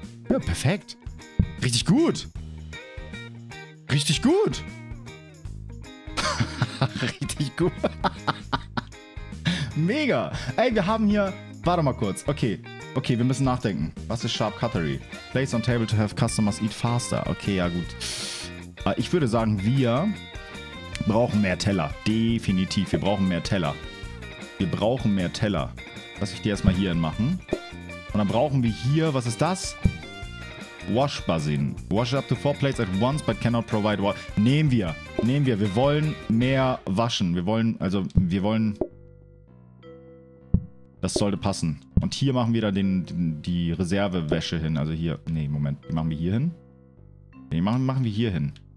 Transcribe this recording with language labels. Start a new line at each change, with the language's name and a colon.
German: Ja, perfekt. Richtig gut. Richtig gut. Richtig gut. Mega. Ey, wir haben hier... Warte mal kurz. Okay. Okay, wir müssen nachdenken. Was ist Sharp Cutlery?
English: Place on table to have customers eat faster.
German: Okay, ja gut. Ich würde sagen, wir brauchen mehr Teller. Definitiv. Wir brauchen mehr Teller. Wir brauchen mehr Teller. Lass ich die erstmal hier hin machen. Und dann brauchen wir hier... Was ist das? Wash Basin.
English: Wash up to 4 plates at once, but cannot provide water.
German: Nehmen wir. Nehmen wir. Wir wollen mehr waschen. Wir wollen... Also, wir wollen... Das sollte passen. Und hier machen wir dann die Reservewäsche hin. Also hier. Nee, Moment. Die machen wir hier hin. Nee, machen wir hier hin.